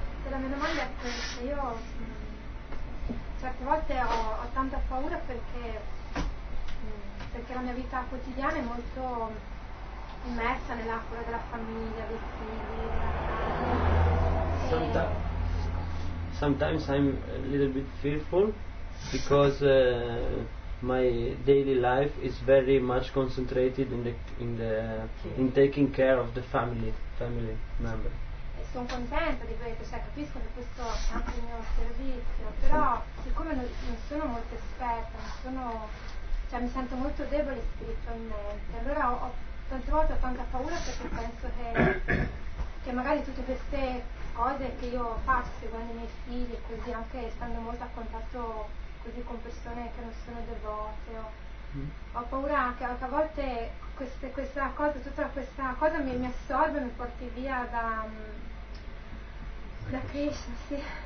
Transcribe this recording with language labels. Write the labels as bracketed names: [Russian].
[Italian] La mia domanda è che io certe volte ho tanta paura perché perché la mia vita quotidiana è molto immersa nella cura della famiglia, dei figli, della casa. [English] Sometimes I'm a little bit fearful because my daily life is very much concentrated in taking care of the family member. [Italian] Sono contenta di questo, cioè capisco che questo è anche il mio servizio, però siccome non sono molto esperta, cioè mi sento molto debole spiritualmente, allora ho tante volte ho tanta paura perché penso che magari tutte queste cose che io faccio seguendo i miei figli, così anche stando molto a contatto così con persone che non sono devote, ho paura che a volte questa cosa, tutta questa cosa mi assorbe, mi porti via da Krishna, sì.